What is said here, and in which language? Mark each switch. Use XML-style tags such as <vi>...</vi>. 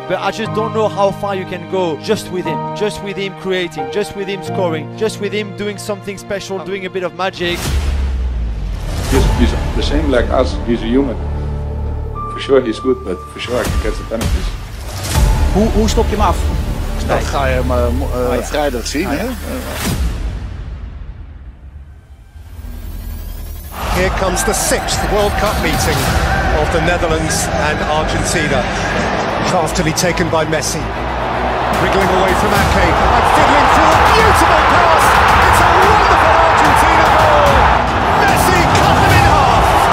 <en>But I just don't know how far you can go just with him creating, just with him scoring, just with him doing something special, doing a bit of magic. He's the same like us, he's a human. For sure he's good, but for sure I can catch the penalties.</en> <nl>Hoe stop je hem af? Dat ga je hem vrijdag zien.</nl> <en>Here comes the sixth World Cup meeting of the Netherlands and Argentina. Craftily taken by Messi. Wriggling away from Ake and fiddling through a beautiful pass. It's a wonderful Argentina goal. Messi cut them in half.</en>